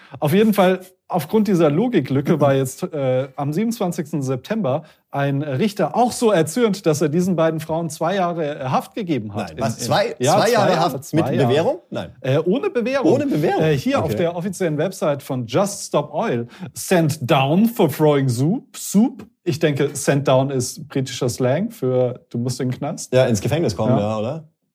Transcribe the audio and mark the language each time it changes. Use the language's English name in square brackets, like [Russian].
[German] Auf jeden Fall, aufgrund dieser Logiklücke war jetzt am 27. September ein Richter auch so erzürnt, dass er diesen beiden Frauen 2 Jahre Haft gegeben hat. Nein, zwei Jahre Haft mit Bewährung? Nein. Ohne Bewährung. Ohne Bewährung. Auf der offiziellen Website von Just Stop Oil. [English] Sent down for throwing soup. [German] Ich denke, [English] sent down [German] ist britischer Slang für du musst in den Knast. Ja, ins Gefängnis kommen, ja, oder?